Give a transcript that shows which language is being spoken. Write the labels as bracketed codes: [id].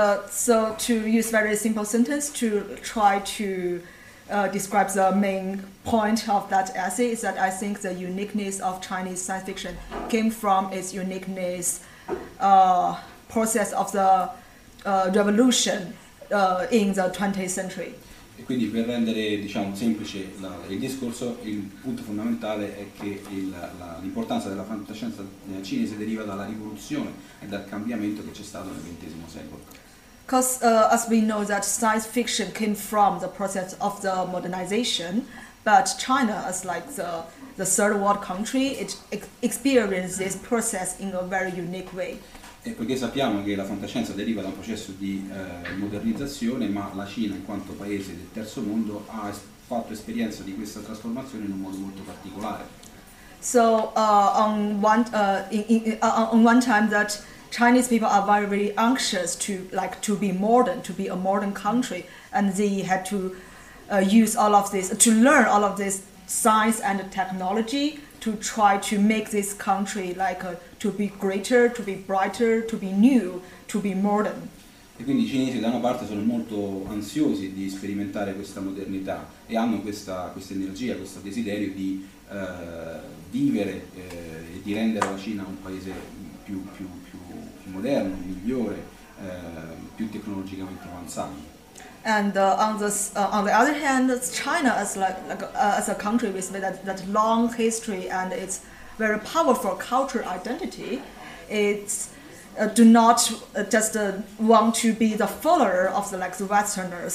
[en] So to use very simple sentence to try to describes the main point of that essay is that I think the uniqueness of Chinese science fiction came from its uniqueness process of the revolution in the 20th century. [it] E quindi per rendere, diciamo, semplice il discorso, il punto fondamentale è che l'importanza della fantascienza cinese deriva dalla rivoluzione e dal cambiamento che c'è stato nel XX secolo. [en] Because as we know that science fiction came from the process of the modernization, but China, as like the third world country, it experienced this process in a very unique way. [it] E poiché sappiamo che la fantascienza deriva da un processo di modernizzazione, ma la Cina, in quanto paese del terzo mondo, ha fatto esperienza di questa trasformazione in un modo molto particolare. [en] So on one time that Chinese people are very, very anxious to like to be modern, to be a modern country, and they had to use all of this, to learn all of this science and technology to try to make this country like to be greater, to be brighter, to be new, to be modern. [it] E quindi i cinesi da una parte sono molto ansiosi di sperimentare questa modernità e hanno questa energia, questo desiderio di vivere e di rendere la Cina un paese più moderno, migliore, più tecnologicamente avanzato. [en] And on the other hand, China as as a country with that long history and its very powerful cultural identity, it's do not just want to be the follower of the Westerners.